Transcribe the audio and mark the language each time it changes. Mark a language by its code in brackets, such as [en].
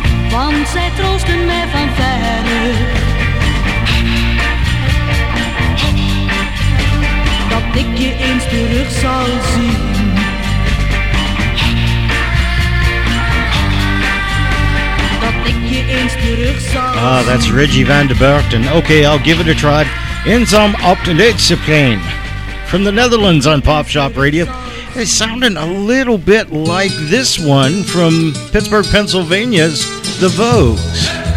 [nl] Want zij troosten mij van verre. Dat ik je eens terug zal zien. Dat ik je eens terug zal zien. [en] Ah, that's Reggie Van De Belt. And okay, I'll give it a try. [nl] Inzam op de Leidseplein. [en] From the Netherlands on Pop Shop Radio. It's sounding a little bit like this one from Pittsburgh, Pennsylvania's The Vogues.